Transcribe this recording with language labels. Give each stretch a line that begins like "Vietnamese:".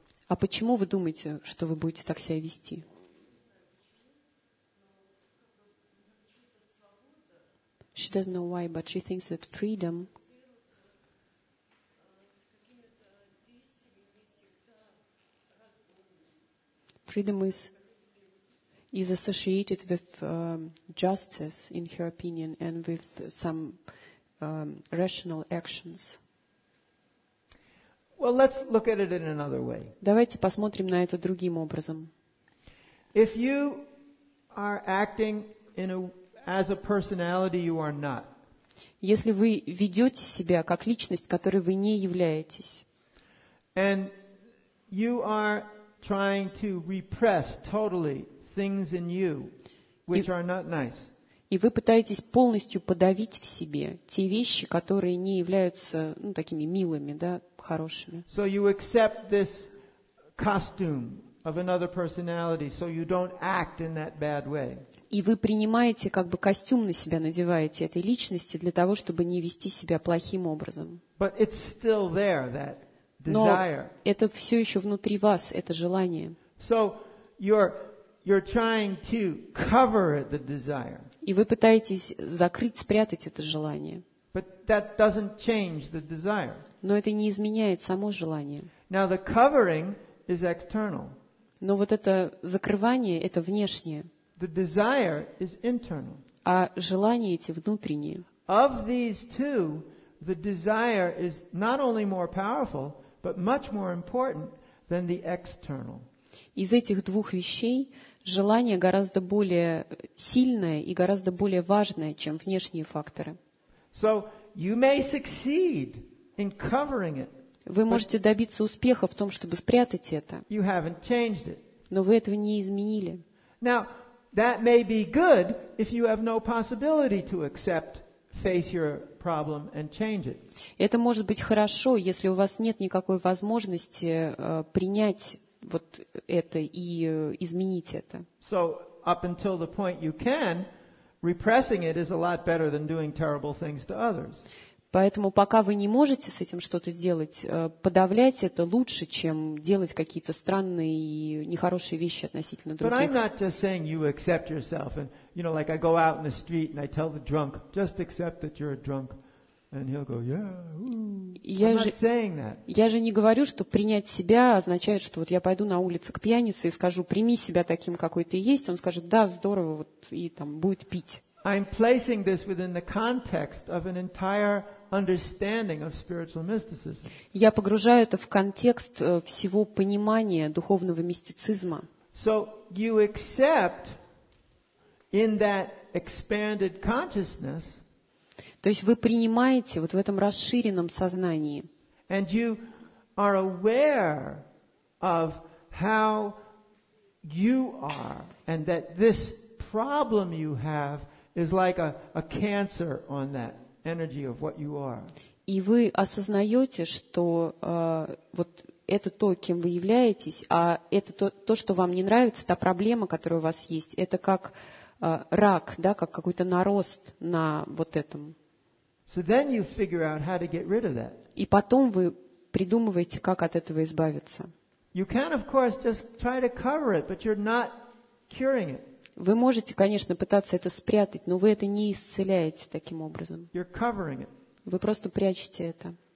Russian: А почему вы думаете, что вы будете так себя вести?
English: She doesn't know why, but she thinks that freedom. Freedom is associated with justice, in her opinion, and with some rational actions. Well, let's look at it in another way.
Russian: Давайте посмотрим на это другим образом.
English: If you are acting in a, as a personality you are not.
Russian: Если вы ведете себя как личность, которой вы не являетесь.
English: And you are trying to repress totally things in you which are not nice.
Russian: И вы пытаетесь полностью подавить в себе те вещи, которые не являются, ну, такими милыми, да, хорошими.
English: So you accept this costume of another personality so you don't act in that bad way.
Russian: И вы принимаете как бы костюм на себя надеваете этой личности для того, чтобы не вести себя плохим образом.
English: But it's still there that.
Russian: Но это все еще внутри вас, это желание.
English: So you're trying to cover the desire.
Russian: И вы пытаетесь закрыть, спрятать это желание.
English: But that doesn't change the desire.
Russian: Но это не изменяет само желание.
English: Now the covering is external.
Russian: Но вот это закрывание, это внешнее.
English: The desire is internal.
Russian: А желание эти внутренние.
English: Of these two, the desire is not only more powerful, but much more important than the external.
Russian: Из этих двух вещей желание гораздо более сильное и гораздо более важное, чем внешние факторы.
English: So you may succeed in covering it.
Russian: Вы можете добиться успеха в том, чтобы спрятать это.
English: You haven't changed it.
Russian: Но вы этого не изменили.
English: Now that may be good if you have no possibility to accept face your problem and change it.
Russian: Это может быть хорошо, если у вас нет никакой возможности принять вот это и изменить это.
English: So up until the point you can, repressing it is a lot better than doing terrible things to others.
Russian: Поэтому пока вы не можете с этим что-то сделать, подавлять это лучше, чем делать какие-то странные и нехорошие вещи относительно других.
English: But I'm not just saying you accept yourself and, you know, like I go out in the street and I tell the drunk, just accept that you're a drunk, and he'll go, yeah.
Russian: Я же не говорю, что принять себя означает, что вот я пойду на улицу к пьянице и скажу, прими себя таким, какой ты есть. Он скажет, да, здорово, вот и там будет пить.
English: I'm placing this within the context of an entire understanding of spiritual mysticism.
Russian: Я погружаю это в контекст всего понимания духовного мистицизма.
English: So you accept in that expanded consciousness.
Russian: То есть вы принимаете вот в этом расширенном сознании.
English: And you are aware of how you are and that this problem you have is like a cancer on that energy of what you are.
Russian: И вы осознаете, что вот это то, кем вы являетесь, а это то, что вам не нравится, та проблема, которая у вас есть, это как рак, да, как какой-то нарост на вот этом.
English: So then you figure out how to get rid of that.
Russian: И потом вы придумываете, как от этого избавиться.
English: You can, of course, just try to cover it, but you're not curing it.
Russian: Вы можете, конечно, пытаться это спрятать, но вы это не исцеляете таким образом. Вы просто прячете это.